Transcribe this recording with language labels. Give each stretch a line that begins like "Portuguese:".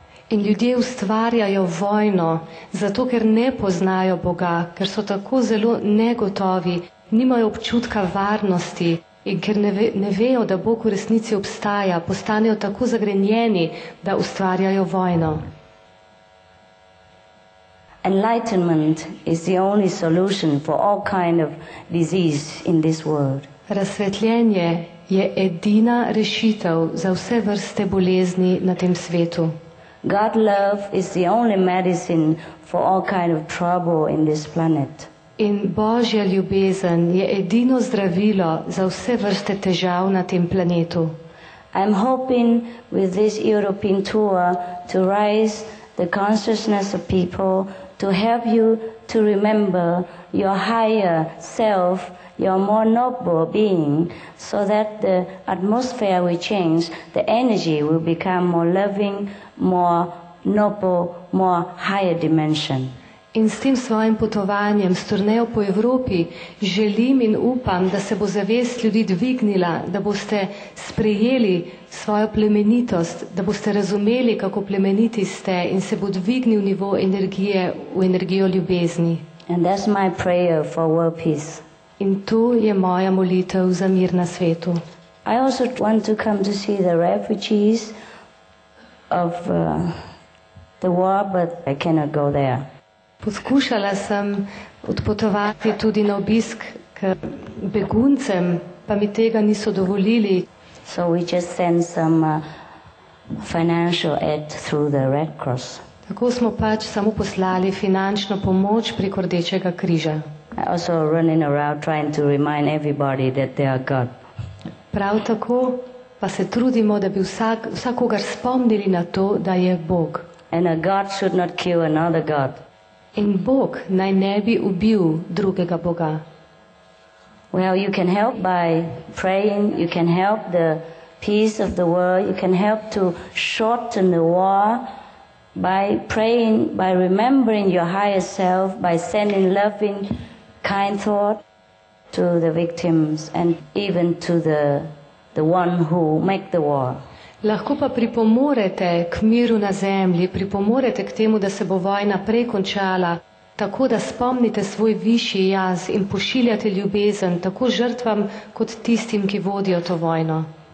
Slovenian: In ljudje ustvarjajo vojno, zato ker ne poznajo Boga, ker so tako zelo negotovi, nimajo občutka varnosti in ker ne vejo, da Bog v resnici obstaja, postanejo tako zagrenjeni, da ustvarjajo vojno.
English: Enlightenment is the only solution for all kind of disease in this world.
Slovenian: Razsvetljenje je edina rešitev za vse vrste bolezni na tem svetu.
English: God love is the only medicine for all kind of trouble in this planet.
Slovenian: In Božja ljubezen je edino zdravilo za vse vrste težav na tem planetu.
English: I'm hoping with this European tour to raise the consciousness of people to help you to remember your higher self, your more noble being, so that the atmosphere will change, the energy will become more loving, more noble, more higher dimension.
Slovenian: In s tem svojim potovanjem, s turnejo po Evropi, želim in upam, da se bo zavest ljudi dvignila, da boste sprejeli svojo plemenitost, da boste razumeli, kako plemeniti ste in se bo dvignil nivo energije v energijo ljubezni.
English: And that's my prayer for world peace.
Slovenian: In to je moja molitev za mir na svetu.
English: I also want to come to see the refugees of the war, but I cannot go there.
Slovenian: Poskušala sem odpotovati tudi na obisk k beguncem, pa mi tega niso dovolili.
English: So we just send some financial aid through the Red Cross.
Slovenian: Tako smo pač samo poslali finančno pomoč prek Rdečega križa.
English: Also running around trying to remind everybody that they are God.
Slovenian: Prav tako pa se trudimo, da bi vsakogar spomnili na to, da je Bog.
English: And a God should not kill another God.
Slovenian: In Bog naj ne bi ubil drugega Boga.
English: Well, you can help by praying, you can help the peace of the world, you can help to shorten the war by praying, by remembering your higher self, by sending loving, kind thought to the victims and even to the one who make the war.
Slovenian: Lahko pa pripomorete k miru na zemlji, pripomorete k temu, da se bo vojna prej končala, tako da spomnite svoj višji jaz in pošiljate ljubezen tako žrtvam kot tistim, ki vodijo to vojno.